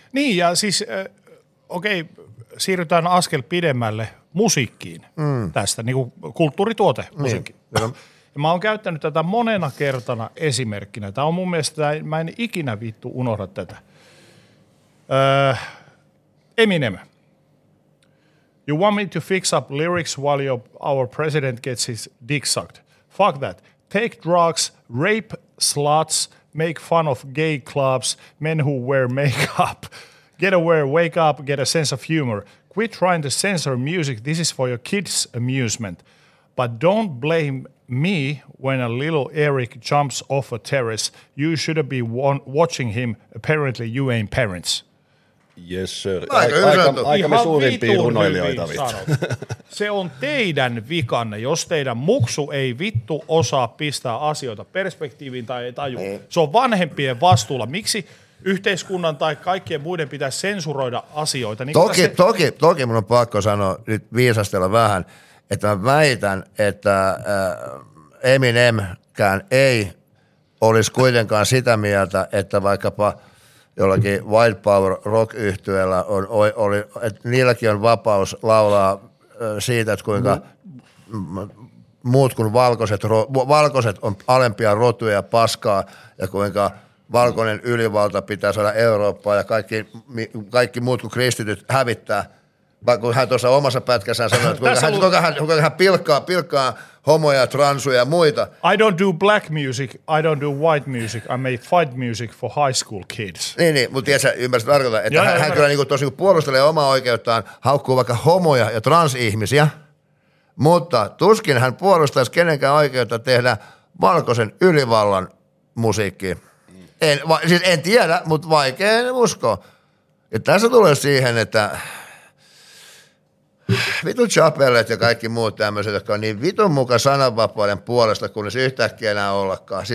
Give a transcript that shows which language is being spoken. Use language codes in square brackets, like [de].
[fi] Niin, ja siis, okei, siirrytään askel pidemmälle musiikkiin tästä, niin kuin kulttuurituote musiikki. Niin. Ja mä oon käyttänyt tätä monena kertana esimerkkinä. Tämä on mun mielestä, mä en ikinä vittu unohda tätä. Eminem. [en] You want me to fix up lyrics while our president gets his dick sucked? Fuck that. Take drugs, rape sluts, make fun of gay clubs, men who wear makeup. Get aware, wake up, get a sense of humor. Quit trying to censor music. This is for your kids' amusement. But don't blame me when a little Eric jumps off a terrace. You shouldn't be watching him. Apparently you ain't parents. Yes, sir. [fi] Aikamme suurimpia runoilijoita. Se on teidän vikanne, jos teidän muksu ei vittu osaa pistää asioita perspektiiviin tai ei taju. Ei. Se on vanhempien vastuulla. Miksi yhteiskunnan tai kaikkien muiden pitää sensuroida asioita? Niin toki mun on pakko sanoa nyt viisastella vähän, että mä väitän, että Eminemkään ei olisi kuitenkaan sitä mieltä, että vaikkapa jollakin White Power Rock-yhtyeellä oli, että niilläkin on vapaus laulaa siitä, että kuinka muut kuin valkoiset on alempia rotuja ja paskaa, ja kuinka valkoinen ylivalta pitää saada Eurooppaa ja kaikki muut kuin kristityt hävittää. Kun hän tuossa omassa pätkässään sanoi, että kuinka hän pilkkaa homoja, transuja ja muita. [en] I don't do black music, I don't do white music, I make fight music for high school kids. [fi] Niin, mutta tiedätkö, ymmärrät tarkoittaa, että joo, hän kyllä niin tosi puolustelee omaa oikeuttaan, haukkuu vaikka homoja ja transihmisiä, mutta tuskin hän puolustaisi kenenkään oikeutta tehdä valkoisen ylivallan musiikkia. En tiedä, mutta vaikea en usko. Ja tässä tulee siihen, että vitun chapellet ja kaikki muut tämmöiset, jotka on niin vitun mukaan sananvapauden puolesta, kunnes yhtäkkiä enää ollakaan.